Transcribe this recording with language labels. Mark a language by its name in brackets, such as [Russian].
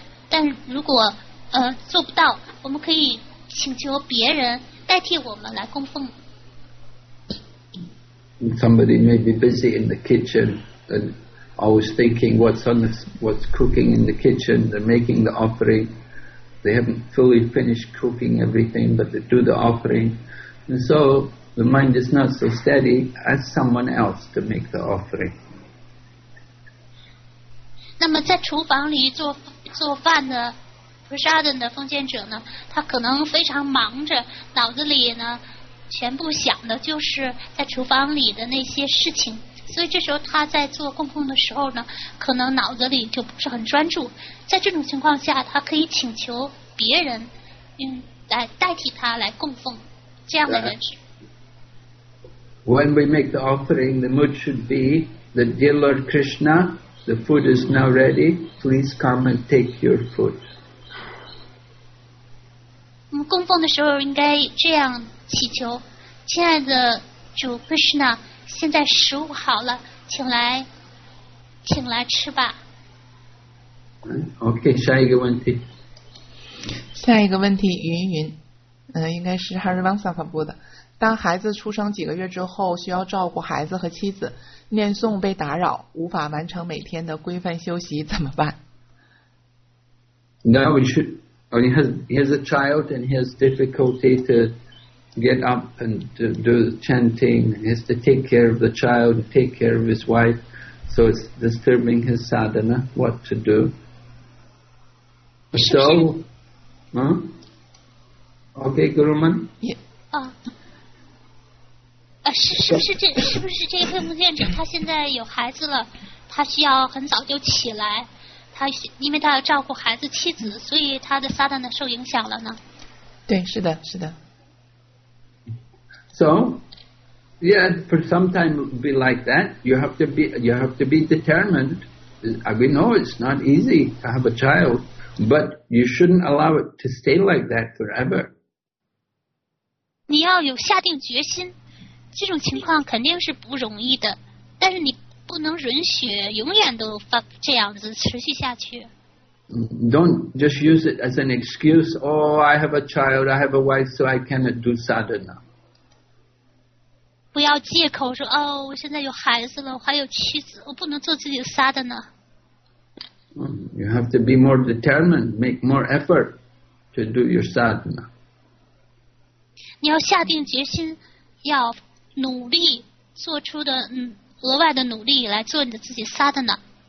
[Chinese] 但如果做不到，我们可以请求别人代替我们来供奉。 [English] Somebody may be busy in the kitchen and. Always thinking what's cooking in the kitchen. They're making the offering. They haven't fully finished cooking everything, but they do the offering. And so the mind is not so steady. Ask someone else to make the offering. [Chinese] 那么在厨房里做饭的 Prasadam 的奉献者呢，他可能非常忙着，脑子里呢全部想的就是在厨房里的那些事情。所以这时候他在做供奉的时候呢，可能脑子里就不是很专注。在这种情况下，他可以请求别人，来代替他来供奉，这样的人是。 [English] When we make the offering, the mood should be that, dear Lord Krishna, the food is now ready. Please come and take your food. [Chinese] 供奉的时候应该这样祈求：亲爱的主 Krishna。现在食物好了，请来吃吧。 OK， 下一个问题。下一个问题，云，应该是 Harivansa 发布的。当孩子出生几个月之后，需要照顾孩子和妻子，念诵被打扰，无法完成每天的规范休息，怎么办 [English] ？Now we should. He has a child and he has difficulty to. Get up and do the chanting. He has to take care of the child, take care of his wife. So it's disturbing his sadhana. What to do? So, huh? Okay, Guruman. Yeah. [Chinese] 是不是这位奉献者他现在有孩子了，他需要很早就起来，他因为他要照顾孩子妻子，所以他的撒旦呢受影响了呢？对，是的，是的。 [English] So, yeah, for some time it would be like that. You have to be determined. We know it's not easy to have a child, but you shouldn't allow it to stay like that forever. [Chinese] 你要有下定决心，这种情况肯定是不容易的，但是你不能允许永远都这样子持续下去。 [English] Don't just use it as an excuse. Oh, I have a child, I have a wife, so I cannot do sadhana. [Chinese] 不要借口说哦，我现在有孩子了，我还有妻子，我不能做自己的撒的呢。 [English] You have to be more determined, make more effort to do your sadhana. [Chinese] 你要下定决心，要努力做出的额外的努力来做你的自己撒的呢。